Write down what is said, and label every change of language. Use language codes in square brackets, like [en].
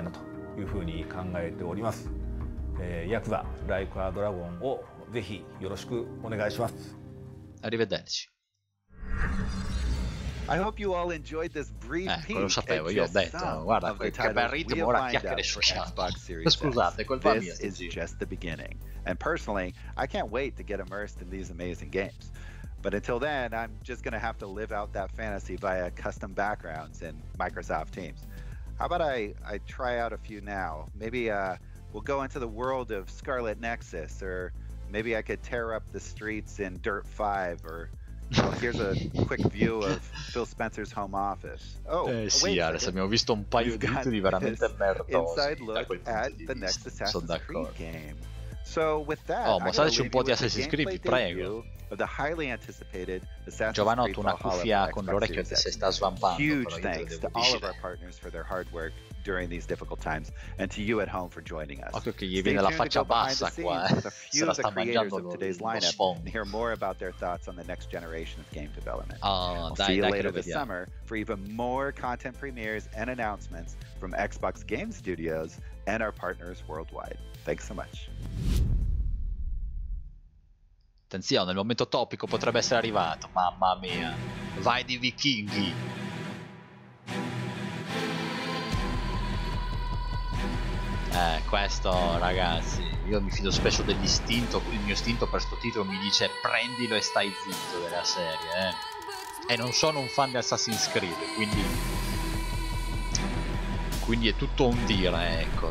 [ja] Xbox One やWindows10で発売する運びとなりました。ありがとう。全世界のファンはもちろんですね、初めてこのタイトルを手にする方にも楽しんでいただきたいなというふうに考えております。ラブ、ボニョラ、ジュンジョレイ、ファンデラサーが今回挑戦する龍が如く2条の新たな挑戦を見届けていただきたいなというふうに考えております。 [it] Arrivederci. [en] I hope you all enjoyed this brief [it] lo sapevo, io ho detto, guarda che bel ritmo, ora chiacchiere su Xbox Series. Scusate, colpa mia. [en] This is just the beginning. And personally, I can't wait to get immersed in these amazing games. But until then, I'm just gonna have to live out that fantasy via custom backgrounds in Microsoft Teams. How about I try out a few now? Maybe we'll go into the world of Scarlet Nexus, or maybe I could tear up the streets in Dirt 5, or here's a quick view of Phil Spencer's home office. [it] Oh, sì, adesso abbiamo visto un paio di titoli veramente merdosi. [en] Inside look at the next Assassin's Creed game. So with that, [it] oh, mostrateci un po' di Assassin's Creed, prego. [en] Of the highly anticipated Assassin's [it] Giovanotto, una cuffia con l'orecchio che si sta svampando. [en] Huge thanks to all of our partners for their hard work during these difficult times, and to you at home for joining us. [it] Occhio che gli viene la faccia bassa qua, se la sta mangiando lo sfondo. [en] Hear more about their thoughts on the next generation of game development. We'll see you later this summer for even more content premieres and announcements from Xbox Game Studios and our partners worldwide. Thanks so much. [it] Attenzione, il momento topico potrebbe essere arrivato. Mamma mia, vai di vichinghi. Questo, ragazzi, io mi fido spesso dell'istinto, il mio istinto per sto titolo mi dice prendilo e stai zitto della serie, eh. E non sono un fan di Assassin's Creed, quindi è tutto un dire, ecco.